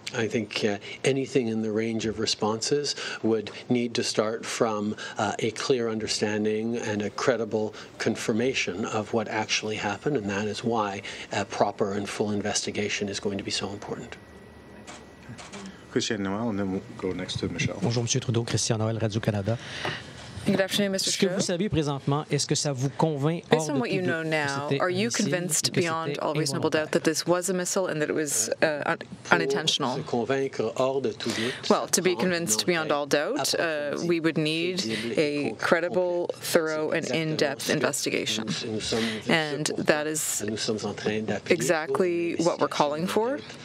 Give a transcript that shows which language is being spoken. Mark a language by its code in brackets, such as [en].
[en] I think anything in the range of responses would need to start from a clear understanding and a credible confirmation of what actually happened, and that is why a proper and full investigation is going to be so important. Christian Noël, and then we'll go next to Michelle. [fr] Bonjour, Monsieur Trudeau, Christian Noël, Radio Canada. [en] Good afternoon, Mr. [fr] Ce que vous savez présentement, est-ce que ça vous convainc hors de tout doute? [en] Are you convinced beyond all reasonable doubt that this was a missile and that it was unintentional? [fr] Pour se convaincre hors de tout doute, [en] well, to be convinced beyond all doubt, we would need a credible, thorough, and in-depth investigation. And that is exactly what we're calling for.